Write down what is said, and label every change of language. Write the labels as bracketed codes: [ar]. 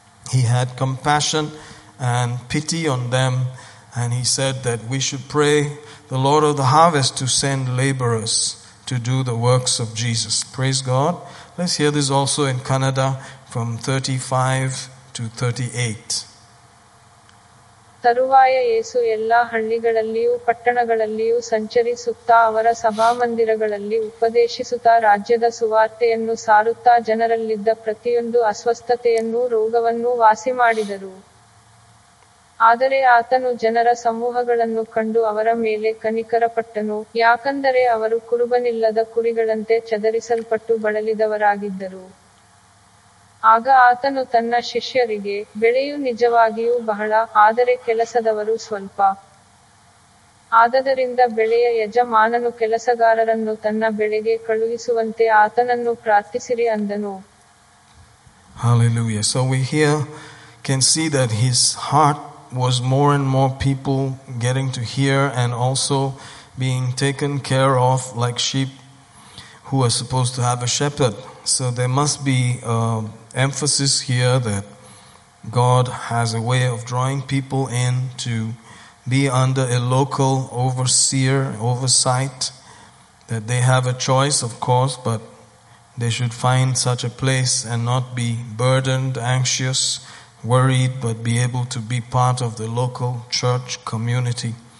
[en] He had compassion and pity on them, and he said that we should pray the Lord of the harvest to send laborers to do the works of Jesus. Praise God. Let's hear this also in Kannada from 35 to 38. [kn] ತರುವಾಯ ಯೇಸು ಎಲ್ಲ ಹಳ್ಳಿಗಳಲ್ಲಿಯೂ ಪಟ್ಟಣಗಳಲ್ಲಿಯೂ ಸಂಚರಿಸುತ್ತಾ ಅವರ ಸಭಾಮಂದಿರಗಳಲ್ಲಿ ಉಪದೇಶಿಸುತ್ತಾ ರಾಜ್ಯದ ಸುವಾರ್ತೆಯನ್ನು ಸಾರುತ್ತಾ ಜನರಲ್ಲಿದ್ದ ಪ್ರತಿಯೊಂದು ಅಸ್ವಸ್ಥತೆಯನ್ನೂ ರೋಗವನ್ನೂ ವಾಸಿ ಮಾಡಿದರು. ಆದರೆ ಆತನು ಜನರ ಸಮೂಹಗಳನ್ನು ಕಂಡು ಅವರ ಮೇಲೆ ಕನಿಕರಪಟ್ಟನು, ಯಾಕೆಂದರೆ ಅವರು ಕುರುಬನಿಲ್ಲದ ಕುರಿಗಳಂತೆ ಚದರಿಸಲ್ಪಟ್ಟು ಬಳಲಿದವರಾಗಿದ್ದರು. ಆಗ ಆತನು ತನ್ನ ಶಿಷ್ಯರಿಗೆ, ಬೆಳೆಯು ನಿಜವಾಗಿಯೂ ಬಹಳ, ಆದರೆ ಕೆಲಸದವರು ಸ್ವಲ್ಪ. ಆದ್ದರಿಂದ ಬೆಳೆಯ ಯಜಮಾನನು ಕೆಲಸಗಾರರನ್ನು ತನ್ನ ಬೆಳೆಗೆ ಕಳುಹಿಸುವಂತೆ ಆತನನ್ನು ಪ್ರಾರ್ಥಿಸಿರಿ ಅಂದನು. [en] Hallelujah. So we here can see that his heart was more and more people getting to hear and also being taken care of like sheep who are supposed to have a shepherd. So there must be emphasis here that God has a way of drawing people in to be under a local overseer, oversight, that they have a choice, of course, but they should find such a place and not be burdened, anxious, worried, but be able to be part of the local church community.